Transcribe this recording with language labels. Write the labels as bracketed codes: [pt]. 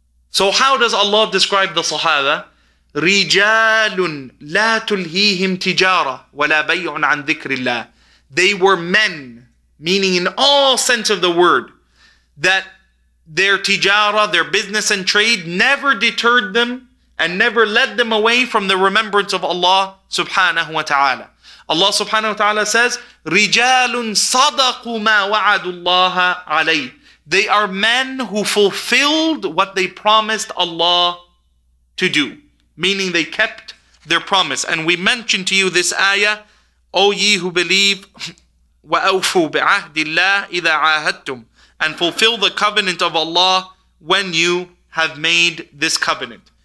[en] So how does Allah describe the Sahaba? [ar] رِجَالٌ لَا تُلْهِيهِمْ تِجَارَةٌ وَلَا بَيْعٌ عَنْ ذِكْرِ اللَّهِ. [en] They were men, meaning in all sense of the word, that their tijara, their business and trade, never deterred them and never led them away from the remembrance of Allah subhanahu wa ta'ala. Allah subhanahu wa ta'ala says, [ar] رِجَالٌ صَدَقُوا مَا وَعَدُ اللَّهَ عَلَيْهِ. [en] They are men who fulfilled what they promised Allah to do, meaning they kept their promise. And we mentioned to you this ayah, O ye who believe, [ar] وَأَوْفُوا بِعَهْدِ اللَّهِ إِذَا عَاهَدْتُمْ. [en] And fulfill the covenant of Allah when you have made this covenant.